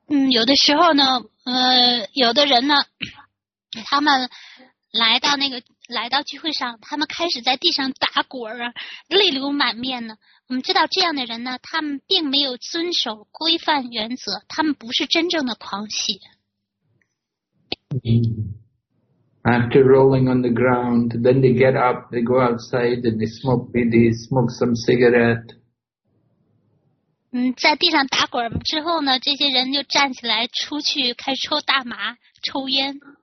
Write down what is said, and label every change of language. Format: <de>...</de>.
<zh>有的时候呢，有的人呢，他们来到那个来到聚会上，他们开始在地上打滚啊，泪流满面呢。我们知道这样的人呢，他们并没有遵守规范原则，他们不是真正的狂喜。</zh> <en>After rolling on the ground, then they get up, they go outside and they smoke some cigarette.</en> <zh>在地上打滚之后呢，这些人就站起来出去开始抽大麻抽烟。</zh>